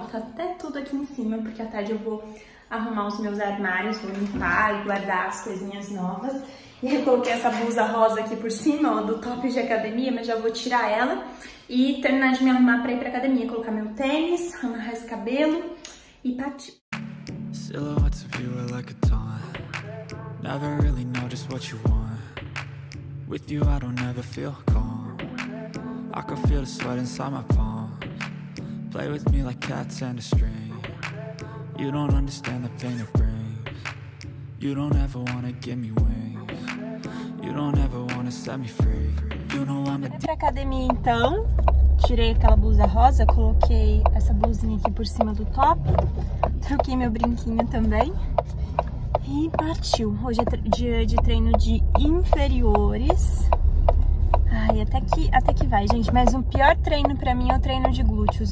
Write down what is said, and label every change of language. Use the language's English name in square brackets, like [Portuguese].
[Portuguese] Tá até tudo aqui em cima, porque à tarde eu vou arrumar os meus armários, vou limpar e guardar as coisinhas novas. E eu coloquei essa blusa rosa aqui por cima, ó, do top de academia, mas já vou tirar ela e terminar de me arrumar pra ir pra academia. Colocar meu tênis, amarrar esse cabelo e partir. [English] Silhouettes of you are like a taunt. Never really know just what you want. With you, I don't ever feel calm. I can feel the sweat inside my palms. Play with me like cats and a string. You don't understand the pain it brings. You don't ever wanna give me wings. You don't ever wanna set me free. You know I'm a... [Portuguese] Pra academia, então. Tirei aquela blusa rosa, coloquei essa blusinha aqui por cima do top. Troquei meu brinquinho também. E partiu. Hoje é dia de treino de inferiores. Ai, até que vai, gente. Mas o pior treino pra mim é o treino de glúteos.